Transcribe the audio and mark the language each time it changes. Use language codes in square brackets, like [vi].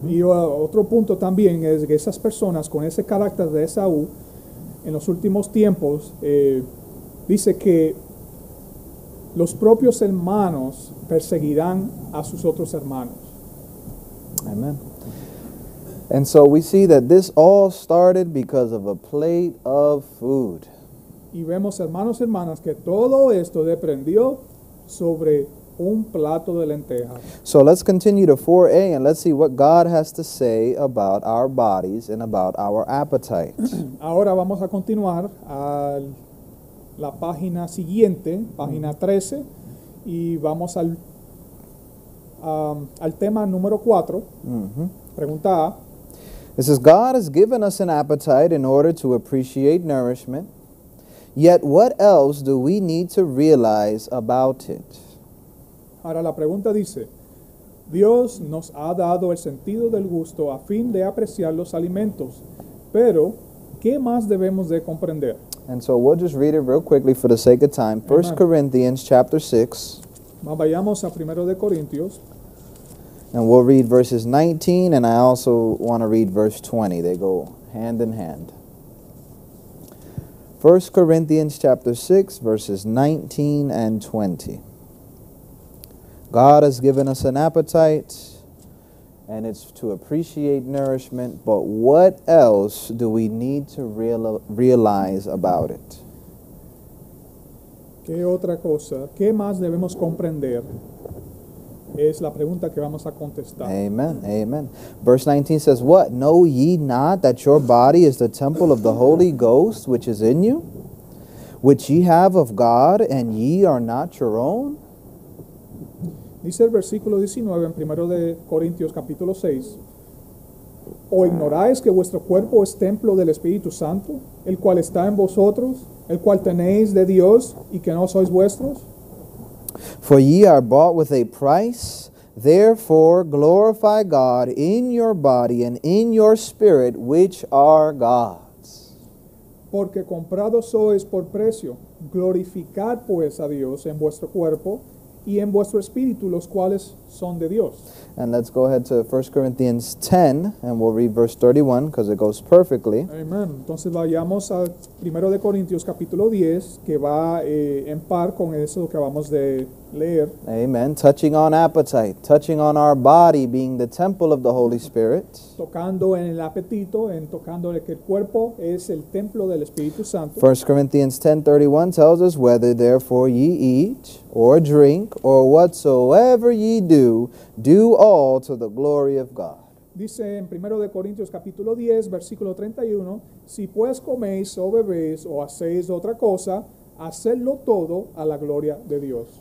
[es] Mm-hmm. Y otro punto también es que esas personas con ese carácter de Esaú en los últimos tiempos dice que los propios hermanos perseguirán a sus otros hermanos. Amen. [en] And so we see that this all started because of a plate of food. [es] Y vemos, hermanos y hermanas, que todo esto dependió sobre un plato de lentejas. [en] So let's continue to 4a and let's see what God has to say about our bodies and about our appetites. [es] Ahora vamos a continuar a la página siguiente, página 13, y vamos al tema número 4. Mm-hmm. Pregunta A. [en] It says, God has given us an appetite in order to appreciate nourishment. Yet, what else do we need to realize about it? [es] Ahora la pregunta dice, Dios nos ha dado el sentido del gusto a fin de apreciar los alimentos, pero ¿qué más debemos de comprender? [en] And so we'll just read it real quickly for the sake of time. 1 Corinthians chapter 6. [es] Vayamos a 1 de Corintios. [en] And we'll read verses 19, and I also want to read verse 20. They go hand in hand. 1 Corinthians chapter 6, verses 19 and 20. God has given us an appetite, and it's to appreciate nourishment, but what else do we need to realize about it? [es] ¿Qué otra cosa? ¿Qué más debemos comprender? Es la pregunta que vamos a contestar. [en] Amen, amen. Verse 19 says, what? Know ye not that your body is the temple of the Holy Ghost, which is in you, which ye have of God, and ye are not your own? [es] Dice el versículo 19 en 1 de Corintios capítulo 6. ¿O ignoráis que vuestro cuerpo es templo del Espíritu Santo, el cual está en vosotros, el cual tenéis de Dios, y que no sois vuestros? [en] For ye are bought with a price, therefore glorify God in your body and in your spirit, which are God's. [es] Porque comprados sois por precio, glorificad pues a Dios en vuestro cuerpo y en vuestro espíritu, los cuales son de Dios. [en] And let's go ahead to 1 Corinthians 10, and we'll read verse 31, because it goes perfectly. Amen. [es] Entonces vayamos a 1 de Corintios capítulo 10, que va en par con eso que acabamos de leer. Amen. [en] Touching on appetite, touching on our body being the temple of the Holy Spirit. [es] Tocando en el apetito, en tocando que el cuerpo es el templo del Espíritu Santo. [en] 1 Corinthians 10:31 tells us, whether therefore ye eat or drink or whatsoever ye do, do all to the glory of God. [es] Dice en 1 de Corintios capítulo 10, versículo 31, si pues coméis o bebéis o hacéis otra cosa, hacedlo todo a la gloria de Dios.